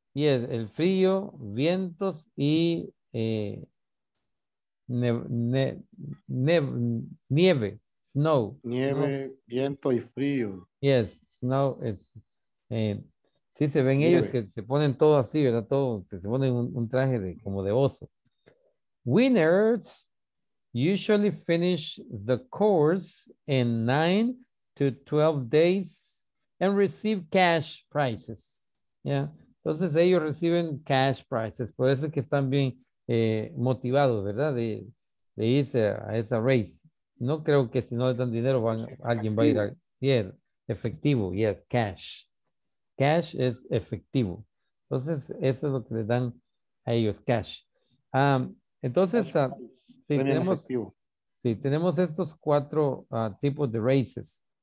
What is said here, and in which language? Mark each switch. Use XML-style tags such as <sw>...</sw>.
<es>Yes, el frío, vientos y nieve, snow. Nieve, ¿no? Viento y frío. Yes, snow es... sí, se ven nieve. Ellos que se ponen todo así, ¿verdad? Todo, que se ponen un traje de, como de oso.</es> <en>Winners usually finish the course in 9 to 12 days and receive cash prizes.</en> <es>Yeah. Entonces ellos reciben cash prizes. Por eso es que están bien motivados, ¿verdad? De irse a esa race. No creo que si no le dan dinero, van, alguien va a ir a... Yeah, efectivo, yes, cash. Cash es efectivo. Entonces eso es lo que le dan a ellos, cash. Entonces, tenemos estos cuatro tipos de races.</es>